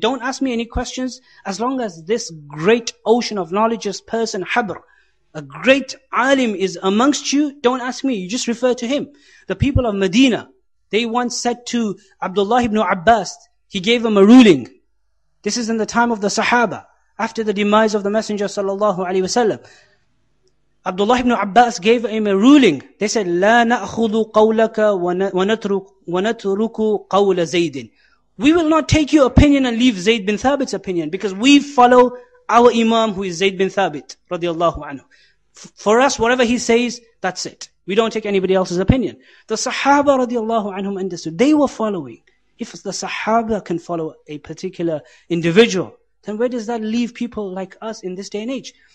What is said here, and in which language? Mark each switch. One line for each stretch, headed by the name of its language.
English: Don't ask me any questions. As long as this great ocean of knowledge, this person, حَبْر, a great alim, is amongst you, don't ask me. You just refer to him. The people of Medina, they once said to Abdullah ibn Abbas, he gave them a ruling. This is in the time of the Sahaba, after the demise of the Messenger sallallahu alaihi wasallam. Abdullah ibn Abbas gave him a ruling. They said,
Arabic: لَا نَأْخُذُ قَوْلَكَ وَنَتْرُكُ قَوْلَ زَيْدٍ.
English: We will not take your opinion and leave Zayd bin Thabit's opinion, because we follow our Imam, who is Zayd bin Thabit, radiallahu anhu. For us, whatever he says, that's it. We don't take anybody else's opinion. The Sahaba, radiallahu anhum, understood. They were following. If the Sahaba can follow a particular individual, then where does that leave people like us in this day and age?